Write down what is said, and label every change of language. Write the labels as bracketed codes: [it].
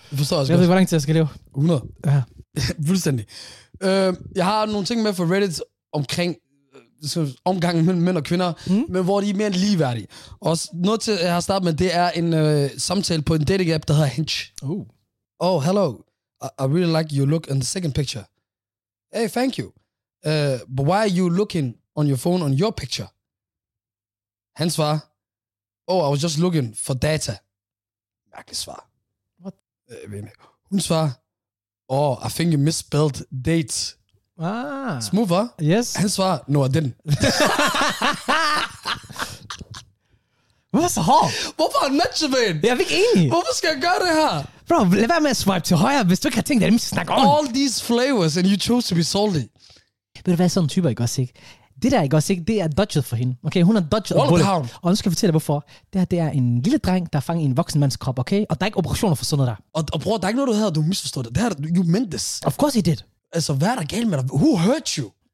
[da] Du forstår også jeg ved ikke, hvor lang tid jeg skal leve. 100. Ja. Fuldstændig. Jeg har nogle ting med for Reddit omkring omgangen mellem mænd og kvinder, men hvor de er mere ligeværdige. Og noget til, jeg har startet med, det er en samtale på en dating app, der hedder Hinge. [en] Oh, hello. I really like your look in the second picture. Hey, thank you. But why are you looking on your phone on your picture? [da] Hans svar. [en] Oh, I was just looking for data. [da] Mærkeligt svar. [en] What? [da] Hun svar. [en] Oh, I think you misspelled dates. Ah. Smooth, huh? Yes. [da] Hans svar. [en] No, I didn't. [da] Hvad så har? Hvorfor har han matchet med en? Jeg er ikke enig. Hvorfor skal jeg gøre det her? Bro, lad være med at swipe til højre, hvis du ikke har tænkt, at jeg skal snakke om. [en] All these flavors, and you chose to be salty. [da] Ved du hvad, sådan en type, ikke også, ikke? Det der, ikke også, ikke? Det er dodget for hende. Okay, hun har dodget. Og nu skal jeg fortælle dig, hvorfor. Det her, det er en lille dreng, der fanger en voksen mands krop, okay? Og der er ikke operationer for sådan noget der. Og bror, der er ikke noget, du havde, du misforstod det. Det her, [en] you meant this. Of course he did. [da] Altså, hvad er der galt med dig? [en] Who hurt you?